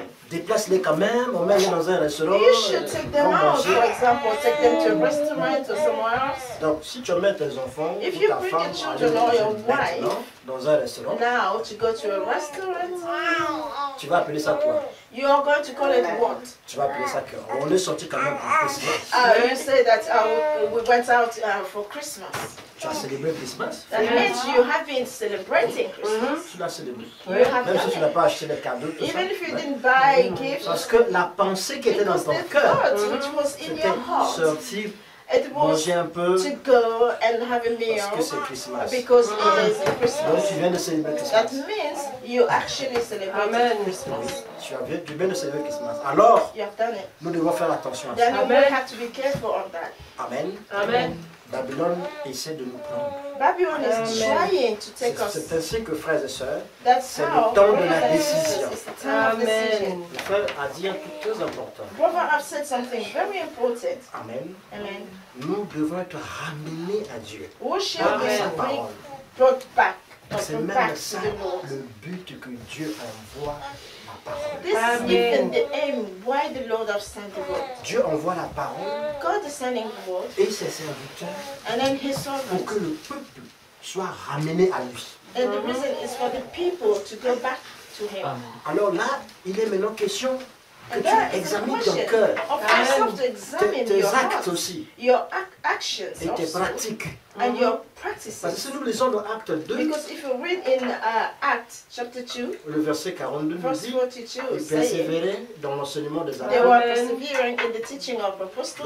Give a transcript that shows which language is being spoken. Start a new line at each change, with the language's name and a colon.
French: Déplace-les quand même, on met les dans un restaurant.
English: You should take them out, for example, take them to a restaurant or somewhere else.
French: Donc si tu mets tes enfants,
English: if you bring your children or your wife,
French: dans un restaurant,
English: now to go to a restaurant,
French: tu vas appeler ça quoi?
English: You are going to call it what?
French: Tu vas appeler ça que on est sorti quand même pour Christmas.
English: You say that we went out for Christmas.
French: Tu as célébré Christmas?
English: That means you have been celebrating Christmas.
French: Tu l'as célébré. Même si tu n'as pas acheté des cadeaux.
English: Even if you didn't buy gifts.
French: Parce que la pensée qui était dans ton cœur,
English: which was in your heart,
French: sorti.
English: It was
French: un peu
English: to go and have a meal
French: parce que c'est Christmas.
English: Because it is Christmas.
French: Donc tu viens de célébrer Christmas.
English: That means you actually celebrate Christmas.
French: Oui, tu viens de célébrer Christmas. Alors,
English: you have done it.
French: Nous devons faire attention à ça.
English: Then we have to be careful on that.
French: Amen.
English: Amen.
French: Babylone essaie de nous prendre.
English: Babylone is trying to take us.
French: C'est ainsi que frères et sœurs, c'est le temps de la décision.
English: Amen.
French: Le frère a dit un truc très important.
English: Brother has said something very important.
French: Amen.
English: Amen.
French: Nous devons être ramenés à Dieu.
English: We shall be brought back.
French: C'est même ça le but que Dieu envoie.
English: This is even the aim why the Lord has sent the word.
French: Dieu envoie la parole.
English: God is sending the word.
French: Et ses serviteurs.
English: And then his servants.
French: Pour que le peuple soit ramené à lui.
English: And the reason is for the people to go back to him. Amen.
French: Alors là, il est maintenant question que tu examines ton cœur, tes actes aussi,
English: your actions
French: et tes pratiques.
English: and you're practicing.
French: Parce que si nous lisons dans Acte 2,
English: because if you read in Acte chapter 2,
French: le verset 42
English: verse 42
French: nous dit, ils persévéraient dans l'enseignement des apôtres.
English: They were persevering in the teaching of the apostles.